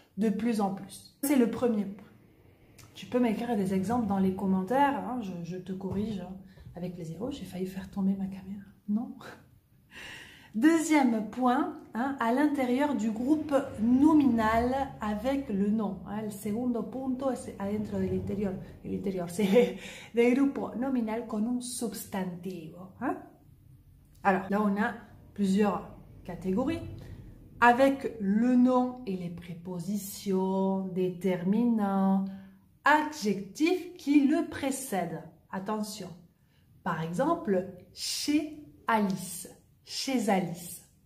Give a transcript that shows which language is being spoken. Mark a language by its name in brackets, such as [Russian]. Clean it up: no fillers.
[French] De plus en plus. C'est le premier point. Tu peux m'écrire des exemples dans les commentaires. Hein, je te corrige avec plaisir. Oh, j'ai failli faire tomber ma caméra. Non. Deuxième point, à l'intérieur du groupe nominal avec le nom. [Spanish] Le segundo punto es adentro del interior. El interior, [French] c'est [Spanish] del grupo nominal con un sustantivo. [French] Alors, là, on a plusieurs catégories. Avec le nom et les prépositions, déterminants, adjectifs qui le précèdent. Attention. Par exemple, chez Alice. Chez Alice.